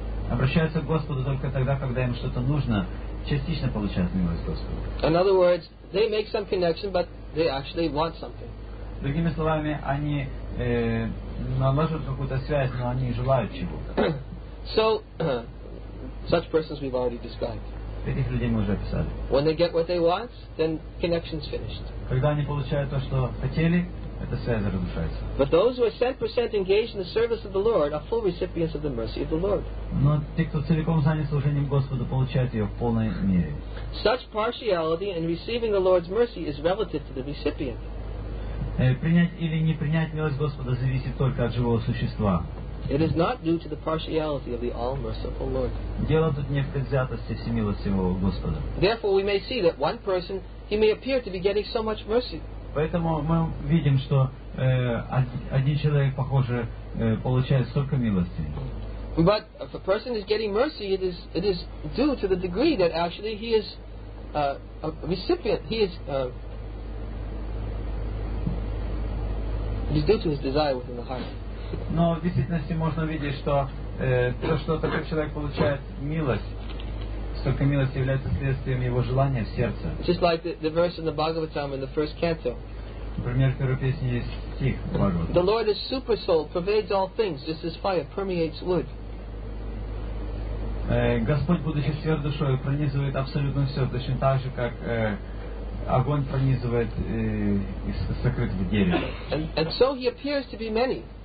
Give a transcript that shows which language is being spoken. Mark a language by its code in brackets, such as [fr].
[ru] обращаются к Господу только тогда, когда им что-то нужно, частично получают милость Господа. [en] In other words, they make some connection, but they actually want something. [ru] Другими словами, они налаживают какую-то связь, но они желают чего-то. [en] So, such persons we've already described. [ru] Этих людей мы уже описали. [en] When they get what they want, then connection's finished. [ru] Когда они получают то, что хотели, эта связь разрушается. [en] But those who are 100% engaged in the service of the Lord are full recipients of the mercy of the Lord. [ru] Но те, кто целиком занят служением Господу, получают ее в полной мере. [en] Such partiality in receiving the Lord's mercy is relative to the recipient. [ru] Принять или не принять милость Господа зависит только от живого существа. [en] It is not due to the partiality of the all-merciful Lord. [ru] Дело тут не в предвзятости всемилостивого Господа. [en] Therefore, we may see that one person, he may appear to be getting so much mercy. [ru] Поэтому мы видим, что один человек, похоже, получает столько милости. [en] But if a person is getting mercy, it is due to the degree that actually he is a recipient. It is due to his desire within the heart. [ru] Но в действительности можно видеть, что то, что такой человек получает милость, столько милости является следствием его желания в сердце. [en] Just like the verse in the Bhagavatam in the first canto. [ru] Например, в первой песне есть стих Бхагавата. [en] The Lord is super soul, pervades all things, just as fire permeates wood. [ru] Господь, будучи сверхдушой, пронизывает абсолютно все, точно так же, как огонь пронизывает и сокрыт в дереве. [en] And so he appears to be many.